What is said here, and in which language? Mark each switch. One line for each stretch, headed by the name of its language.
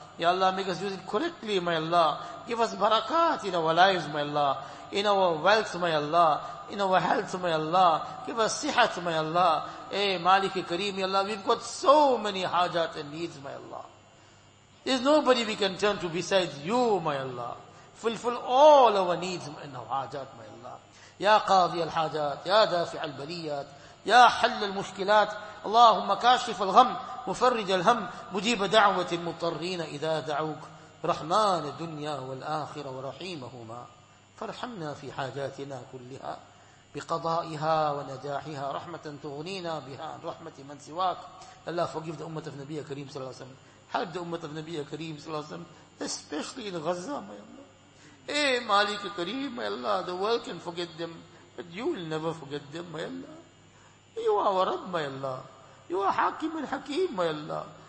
English: Ya Allah, make us use it correctly, my Allah. Give us barakat in our lives, my Allah. In our wealth, my Allah. In our health, my Allah. Give us sihat, my Allah. Hey, Malik Kareem, ya Allah, we've got so many hajat and needs, my Allah. There's nobody we can turn to besides you, my Allah. Fulfill all our needs and our hajat, my Allah.
Arabic: Ya Qadi al-Hajat, Ya Dafi al-Baliyat, Ya Hal al-Mushkilat, Allahumma kashif al-Gham, مفرج الهم مجيب دعوة المضطرين إذا دعوك رحمن الدنيا والآخرة ورحيمهما فارحمنا في حاجاتنا كلها بقضائها ونجاحها رحمة تغنينا بها عن رحمة من سواك.
English: الله forgive the ummah of Nabiya Kareem صلى الله عليه وسلم. Help the ummah of Nabiya Kareem صلى الله عليه وسلم, especially in Gaza, my Allah. Hey, Malik Kareem, my Allah, the world can forget them, but you will never forget them, my Allah. You are our Rabb, my Allah. You are Hakim and Hakim, my Allah.